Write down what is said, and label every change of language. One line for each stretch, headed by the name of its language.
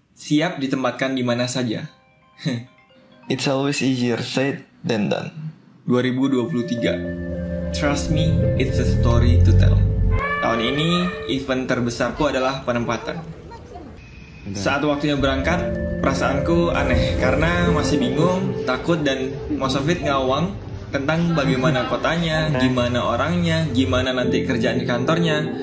Indonesian: siap ditempatkan di mana saja.
English: It's always easier said than done. 2023. Trust me, it's a story to tell.
Indonesian: Tahun ini, event terbesarku adalah penempatan. Saat waktunya berangkat, perasaanku aneh karena masih bingung, takut, dan
English: most of it
Indonesian: ngawang tentang bagaimana kotanya, gimana orangnya, gimana nanti kerjaan di kantornya.